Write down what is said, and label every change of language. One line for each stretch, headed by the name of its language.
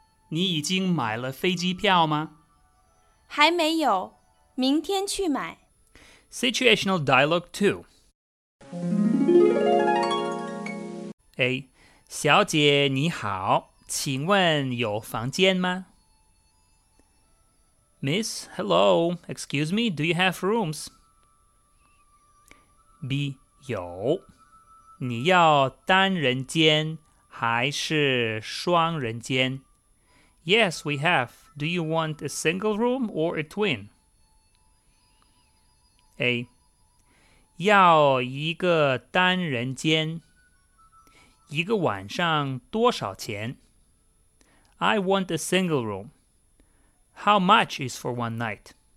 Chinese: 你已经买了飞机票吗？还没有，明天去买。
English: Situational Dialogue 2。 A.
Chinese: 小姐你好，请问有房间吗？
English: Miss, hello, excuse me, do you have rooms? B.
Chinese: 有，你要单人间还是双人间？
English: Yes, we have. Do you want a single room or a twin? A.
Chinese: 要一个单人间。一个晚上多少钱?
English: I want a single room. How much is for one night?